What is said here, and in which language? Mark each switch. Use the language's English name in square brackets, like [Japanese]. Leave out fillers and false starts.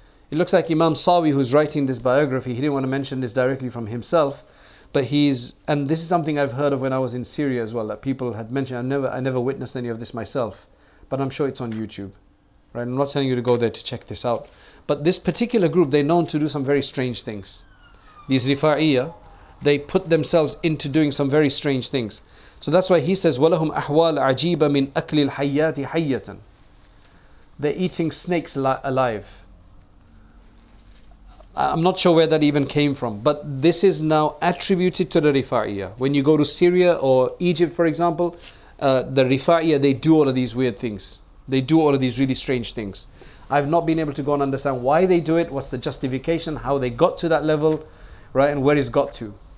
[English] It looks like Imam Sawi, who's writing this biography, he didn't want to mention this directly from himself, but and this is something I've heard of when I was in Syria as well, that people had mentioned. I never witnessed any of this myself, but I'm sure it's on YouTube. Right? I'm not telling you to go there to check this out. But this particular group, they're known to do some very strange things. These Rifa'iyah, they put themselves into doing some very strange things. So that's why he says, [Arabic] وَلَهُمْ أَحْوَالَ عَجِيبَ مِنْ أَكْلِ الْحَيَّاتِ حَيَّةً. [English] They're eating snakes alive. I'm not sure where that even came from. But this is now attributed to the Rifa'iyah. When you go to Syria or Egypt, for example, the Rifa'iyah, they do all of these weird things. They do all of these really strange things. I've not been able to go and understand why they do it, what's the justification, how they got to that level, right, and where it's got to.